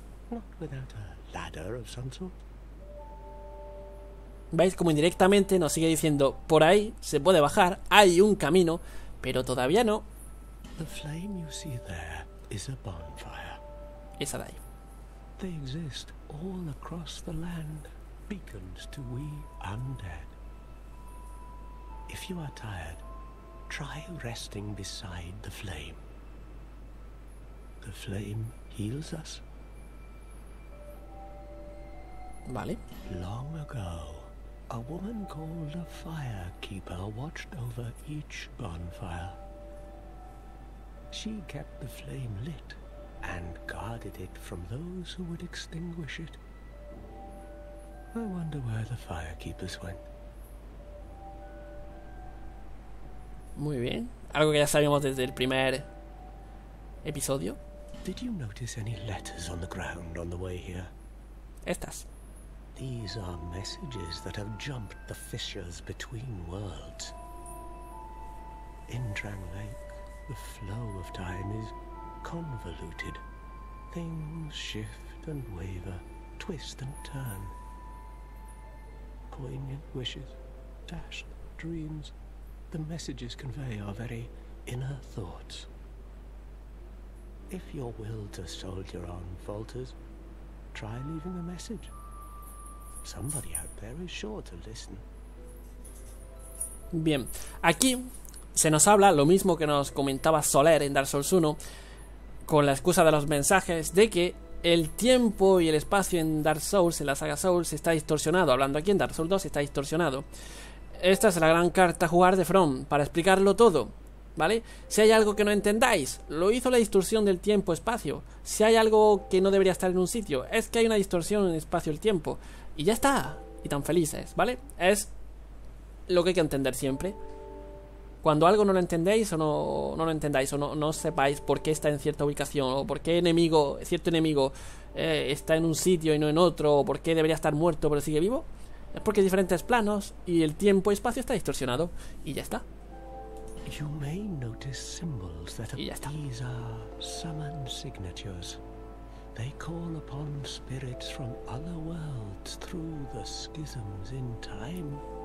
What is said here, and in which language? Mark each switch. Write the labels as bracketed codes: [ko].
[en] Not without a ladder of some sort. [es] ¿Veis cómo indirectamente nos sigue diciendo por ahí se puede bajar, hay un camino, pero todavía no? [en] The flame you see there is a bonfire. [es] Esa de ahí. [en] They exist all across the land, beacons to we undead. If you are tired, try resting beside the flame. The flame heals us. [es] Vale. [en] Long ago, a woman called a fire keeper watched over each bonfire. She kept the flame lit and guarded it from those who would extinguish it. I wonder where the fire keepers went. [es] Muy bien. Algo que ya sabíamos desde el primer episodio. [en] Did you notice any letters on the ground on the way here? [es] Estas. [en] These are messages that have jumped the fissures between worlds. In Drang Lake, the flow of time is convoluted. Things shift and waver, twist and turn. Poignant wishes, dashed dreams, the messages convey our very inner thoughts. If your will to soldier on falters, try leaving a message. Somebody out there is sure to listen. [es] Bien, aquí se nos habla lo mismo que nos comentaba Soler en Dark Souls 1, con la excusa de los mensajes, de que el tiempo y el espacio en Dark Souls, en la saga Souls, está distorsionado. Hablando aquí en Dark Souls 2, está distorsionado. esta es la gran carta a jugar de From, para explicarlo todo, ¿vale? Si hay algo que no entendáis, lo hizo la distorsión del tiempo-espacio. Si hay algo que no debería estar en un sitio, es que hay una distorsión en el espacio-tiempo. Y ya está, y tan felices, ¿vale? Es lo que hay que entender siempre. Cuando algo no lo entendéis o no lo entendáis o no sepáis por qué está en cierta ubicación o por qué cierto enemigo está en un sitio y no en otro o por qué debería estar muerto pero sigue vivo, es porque hay diferentes planos y el tiempo y espacio está distorsionado y ya está. [en] You may notice symbols that [es] y ya está. [en] These are summon signatures. They call upon spirits from other worlds through the schisms in time.